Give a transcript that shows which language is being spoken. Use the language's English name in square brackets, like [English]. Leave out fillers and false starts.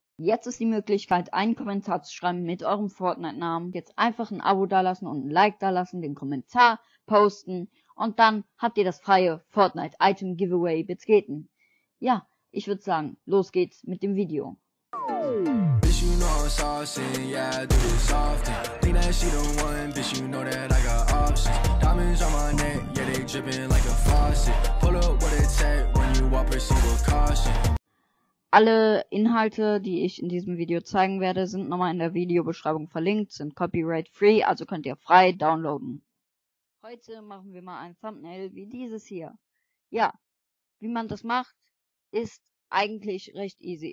[German] Jetzt ist die Möglichkeit, einen Kommentar zu schreiben mit eurem Fortnite-Namen. Jetzt einfach ein Abo dalassen und ein Like dalassen, den Kommentar posten und dann habt ihr das freie Fortnite-Item-Giveaway betreten. Ja, ich würde sagen, los geht's mit dem Video. [English] Bitch, you know I'm saucin', yeah, I do this often. Think that she the one, bitch, you know that I got options. Diamonds on my neck, yeah, they drippin' like a faucet. Pull up what it take when you walk, proceed with caution. [German] Alle Inhalte, die ich in diesem Video zeigen werde, sind nochmal in der Videobeschreibung verlinkt, sind copyright-free, also könnt ihr frei downloaden. Heute machen wir mal ein Thumbnail wie dieses hier. Ja, wie man das macht, ist eigentlich recht easy.